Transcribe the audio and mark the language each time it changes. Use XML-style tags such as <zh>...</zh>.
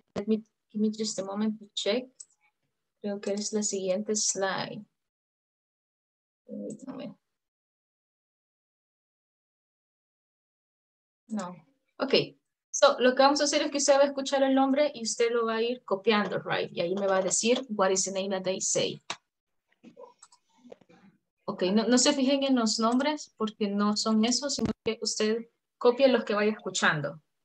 <en>Let me give me just a moment to check.</en> <es>Creo que es la siguiente</es> <en>slide. No. Okay.</en> <es>So, lo que vamos a hacer es que usted va a escuchar el nombre y usted lo va a ir copiando,</es> <en>right?</en> <es>Y ahí me va a decir,</es> <en>what is the name that they say?</en> <es>Okay, no se fijen en los nombres porque no son esos, sino que usted copie los que vaya escuchando.</es>